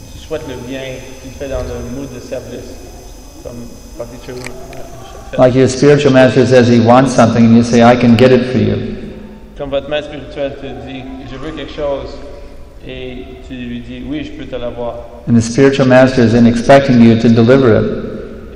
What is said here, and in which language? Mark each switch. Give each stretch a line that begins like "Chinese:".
French: souhaite le bien, tu le fais dans le
English: mood
French: de service. Comme quand tu veux.
English: Like your spiritual master says he wants something and you say, I can get it for you.
French: Comme votre maître spirituel te dit, je veux quelque chose. Et tu lui dis, oui, je peux te l'avoir.
English: And the spiritual master is in expecting you to deliver it.